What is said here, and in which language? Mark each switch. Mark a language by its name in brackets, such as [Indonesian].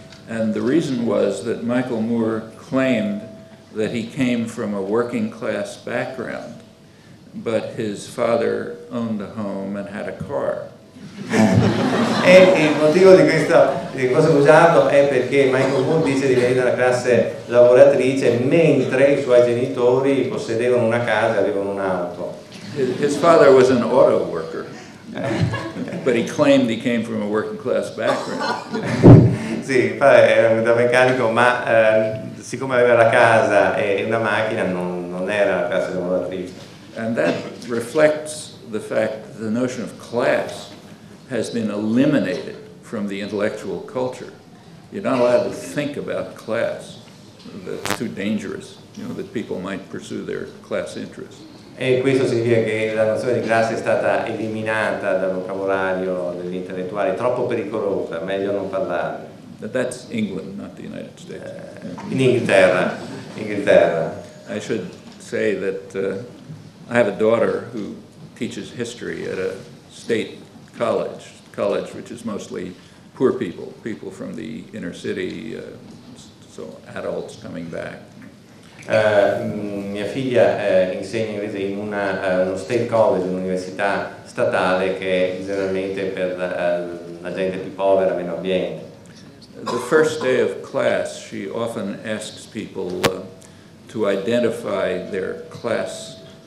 [English] And the reason was that Michael Moore claimed that he came from a working class background, but his father owned a home and had a car. [Italian] E il motivo di questo, di cosa usato, è perché Michael Moon dice di venire dalla classe lavoratrice mentre i suoi genitori possedevano una casa e avevano un'auto. [English] His father was an auto worker, but he claimed he came from a working class background. [Italian] Sì, era da meccanico, ma siccome aveva la casa e una macchina, non era la classe lavoratrice. [English] And that reflects the fact that the notion of class has been eliminated from the intellectual culture. You're not allowed to think about class. That's too dangerous, you know, that people might pursue their class interests. [Italian] E questo significa che la nozione di classe è stata eliminata dal vocabolario degli intellettuali, troppo pericolosa, meglio non parlare. [English] But that's England, not the United States. [Italian] In Inghilterra, Inghilterra. [English] I should say that I have a daughter who teaches history at a state college, which is mostly poor people, people from the inner city, so adults coming back. [Italian] Mia figlia insegna inglese in uno state college, un'università statale che è generalmente per la gente più povera, meno abbiente. [English] The first day of class, she often asks people to identify their class.